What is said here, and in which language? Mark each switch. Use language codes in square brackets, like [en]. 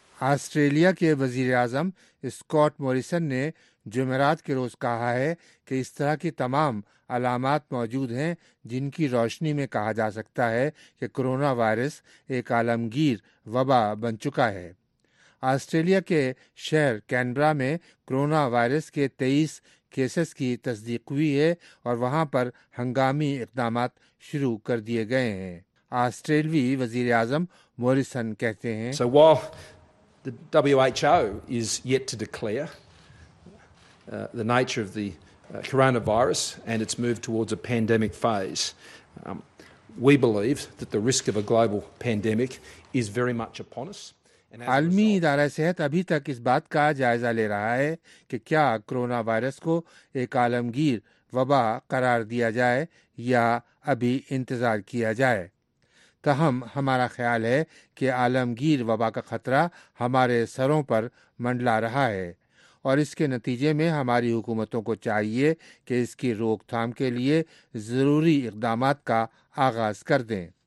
[ur] Australia کے وزیر اعظم Scott Morrison نے جمعرات کے روز کہا ہے کہ اس طرح کی تمام علامات موجود ہیں جن کی روشنی میں کہا جا سکتا ہے کہ کرونا وائرس ایک عالمگیر وبا بن چکا ہے. آسٹریلیا کے شہر کینبرا میں کرونا وائرس کے 23 کیسز کی تصدیق ہوئی ہے اور وہاں پر ہنگامی اقدامات شروع کر دیے گئے ہیں. آسٹریلوی وزیر اعظم موریسن کہتے ہیں, [en] So while the WHO is yet to declare the nature of the coronavirus and its move towards a pandemic phase, we believe that the risk of a global pandemic is very much upon us. [ur] عالمی ادارہ صحت ابھی تک اس بات کا جائزہ لے رہا ہے کہ کیا کرونا وائرس کو ایک عالمگیر وبا قرار دیا جائے یا ابھی انتظار کیا جائے. تاہم ہمارا خیال ہے کہ عالمگیر وبا کا خطرہ ہمارے سروں پر منڈلا رہا ہے اور اس کے نتیجے میں ہماری حکومتوں کو چاہیے کہ اس کی روک تھام کے لیے ضروری اقدامات کا آغاز کر دیں.